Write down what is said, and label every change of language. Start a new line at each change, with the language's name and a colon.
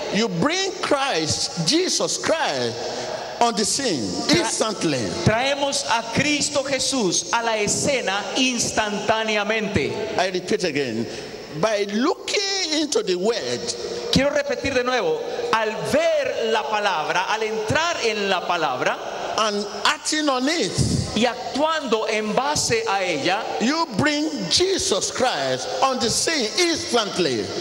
English: you bring Christ, Jesus Christ, on the scene instantly.
Spanish: Traemos a Cristo Jesús a la escena instantáneamente.
English: I repeat again, by looking into the word.
Spanish: Quiero repetir de nuevo, al ver la palabra, al entrar en la palabra,
English: and acting on it,
Spanish: y actuando en base a ella,
English: you bring Jesus Christ on the scene instantly.